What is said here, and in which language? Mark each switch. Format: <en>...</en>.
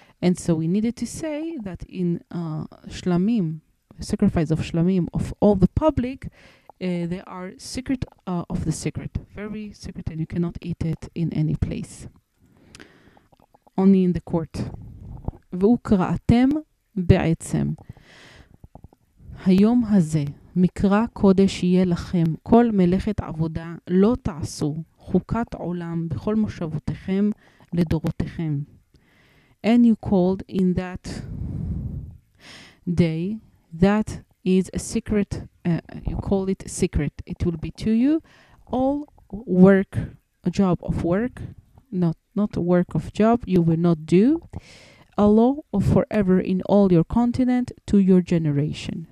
<en>And so we needed to say that in shlamim, sacrifice of shlamim of all the public, they are secret of the secret, very secret, and you cannot eat it in any place, only in the court.</en> <he>Ve'ukra'atem be'etzem hayom hazeh מקרא קודש יהיה לכם, כל מלאכת עבודה לא תעשו, חוקת עולם בכל מושבותיכם לדורותיכם.</he> <en>And you called in that day, that is a secret, you call it a secret, it will be to you, all work, a job of work, not a work of job, you will not do, a law of forever in all your continent to your generation.</en>